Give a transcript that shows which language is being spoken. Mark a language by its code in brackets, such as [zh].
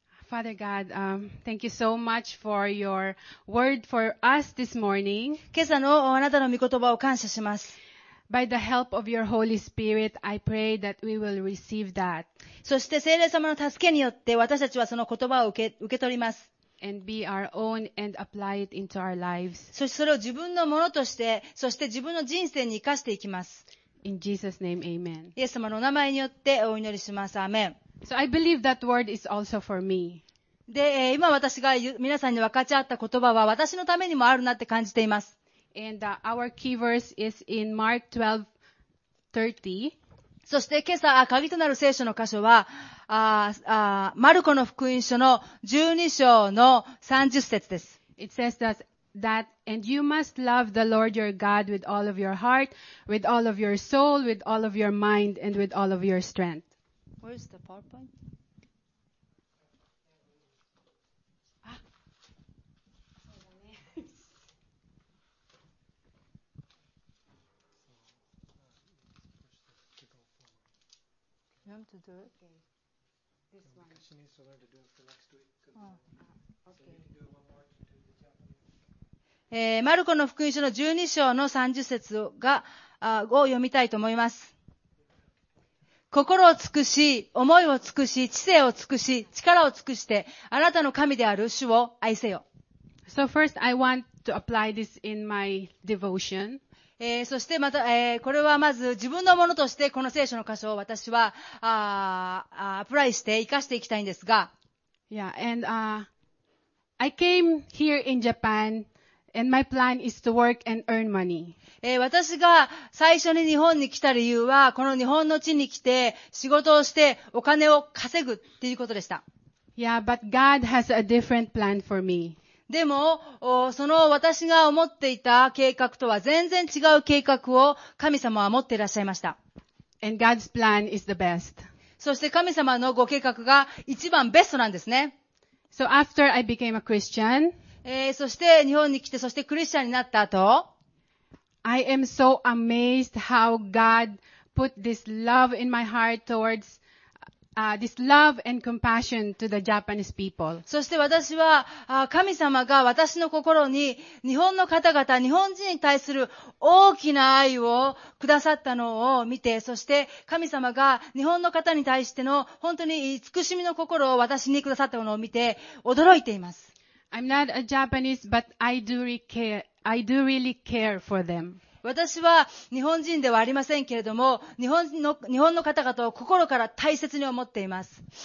[en] Father God, thank you so much for your word for us this morning. [ja] 今朝のあなたの御言葉を感謝します。 [en] By the help of your Holy Spirit, I pray that we will receive that. [ja] そして聖霊様の助けによって私たちはその言葉を受け取ります。 [en] And be our own and apply it into our lives. [ja] そしてそれを自分のものとして、そして自分の人生に生かしていきます。 [en] In Jesus' name, amen. [ja] イエス様の名前によってお祈りします。アーメン。 [en] So I believe that word is also for me. [ja] で、今私が皆さんに分かち合った言葉は私のためにもあるなって感じています。 [en] And our key verse is in Mark 12:30. [ja] そして今朝、鍵となる聖書の箇所は、マルコの福音書の12章の30節です。 [en] It says that, and you must love the Lord your God with all of your heart, with all of your soul, with all of your mind, and with all of your strength. Where's the PowerPoint? You want to do it? Okay. This one. Because she needs to learn to do it for next week. Oh, okay. So you can do it one more to do the Japanese. [ja] マルコの福音書の12章の30節を読みたいと思います。心を尽くし、思いを尽くし、知性を尽くし、力を尽くして、あなたの神である主を愛せよ。 [en] So first, I want to apply this in my devotion. [ja] そしてまた、これはまず自分のものとしてこの聖書の箇所を私は、アプライして生かしていきたいんですが。 [en] Yeah, and, I came here in Japan. And my plan is to work and earn money. [ja] 私が最初に日本に来た理由は、この日本の地に来て仕事をしてお金を稼ぐっていうことでした。 [en] Yeah, but God has a different plan for me. [ja] でも、その私が思っていた計画とは全然違う計画を神様は持っていらっしゃいました。 [en] And God's plan is the best. [ja] そして神様のご計画が一番ベストなんですね。 [en] So after I became a Christian, [ja] そして日本に来て、そしてクリスチャンになった後、 [en] I am so amazed how God put this love in my heart towards, this love and compassion to the Japanese people. [ja] そして私は、神様が私の心に日本の方々、日本人に対する大きな愛をくださったのを見て、そして神様が日本の方に対しての本当に慈しみの心を私にくださったのを見て、驚いています。 [en] I'm not a Japanese, but I do really care for them. [ja] 私は日本人ではありませんけれども、日本の方々を心から大切に思っています。